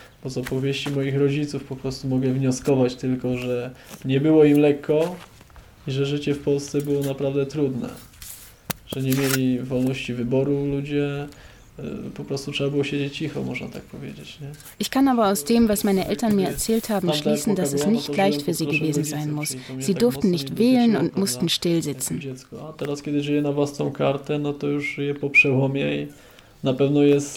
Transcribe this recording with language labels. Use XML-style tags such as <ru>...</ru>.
<pl>Bo z opowieści moich rodziców po prostu mogę wnioskować tylko, że nie było im lekko i że życie w Polsce było naprawdę trudne. Że nie mieli wolności wyboru ludzie, po prostu trzeba było siedzieć cicho, można tak powiedzieć, nie?</pl> <de>Ich kann aber aus dem, was meine Eltern mir erzählt haben, schließen, dass es nicht leicht für sie gewesen sein muss. Sie durften nicht wählen und mussten still sitzen.</de> <pl>A teraz, kiedy żyję na własną kartę, no to już żyję po przełomie i na pewno jest...</pl>